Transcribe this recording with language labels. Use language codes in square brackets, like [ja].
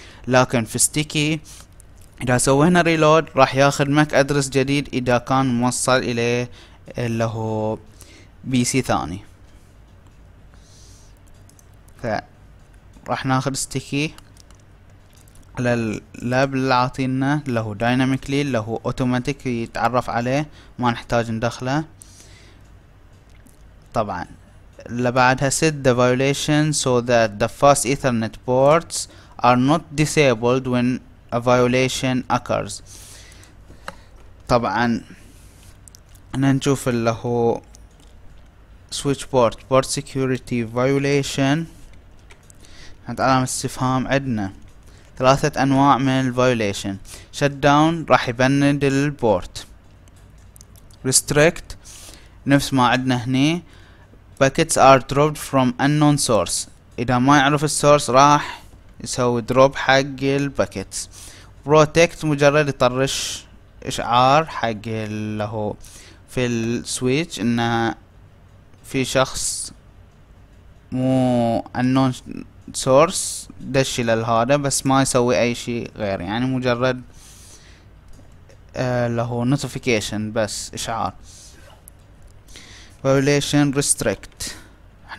[ar] لكن في ستيكي اذا سوينا ريلود راح ياخذ ماك ادرس جديد اذا كان موصل اليه اللي هو بي سي ثاني. ف راح ناخذ ستيكي على اللاب اللي عاطينا اللي هو دايناميكلي اللي هو اوتوماتيك يتعرف عليه ما نحتاج ندخله. طبعا اللي بعدها [en] set the violation so that the fast ethernet ports are not disabled when a violation occurs. [ar] طبعا نشوف اللي هو [en] switch board security violation. [ar] هات علامة استفهام، عندنا ثلاثة انواع من ال violation. [en] shut down [ar] راح يبند البورت. [en] restrict [ar] نفس ما عندنا هني، [en] packets are dropped from unknown source. [ar] اذا ما يعرف السورس راح يسوي drop حق الباكيتس. بروتكت مجرد يطرش اشعار حق اللي هو في السويتش انه في شخص مو انون سورس دش للهذا، بس ما يسوي اي شيء غير، يعني مجرد اللي هو نوتيفيكيشن بس اشعار. فايوليشن ريستريكت، احنا